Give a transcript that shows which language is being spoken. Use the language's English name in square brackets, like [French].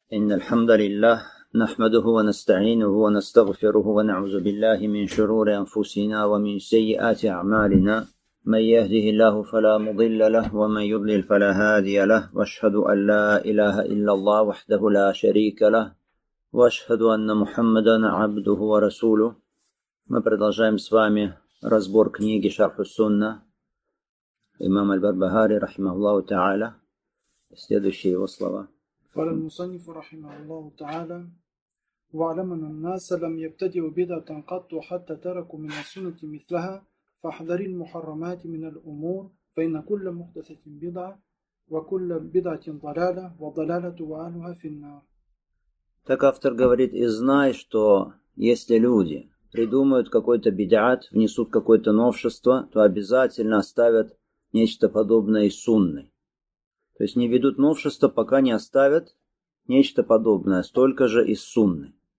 [Arabic] إن الحمد لله نحمده ونستعينه ونستغفره ونعوذ بالله من شرور أنفسنا ومن سيئات أعمالنا، من يهده الله فلا مضل له ومن يضلل فلا هادي له، وأشهد أن لا إله إلا الله وحده لا شريك له، وأشهد أن محمدا عبده ورسوله. [Russian] Мы продолжаем с вами разбор книги Шарх ас-Сунна Имам аль-Барбахари [Arabic] رحمه الله تعالى. [Russian] Следующие его слова. [Arabic] قال المصنف رحمه الله تعالى: واعلم أن الناس لم يبتدئوا بدعة قط حتى تركوا من السنة مثلها، فاحذري المحرمات من الأمور، فإن كل محدثة بدعة وكل بدعة ضلالة وضلالة وأهلها في النار. [Russian] Так автор говорит: и знай, что если люди придумают какой-то бидаат, внесут какое-то новшество, то обязательно оставят нечто подобное сунне. То есть не ведут новшества, пока не оставят нечто подобное, столько же из сунны.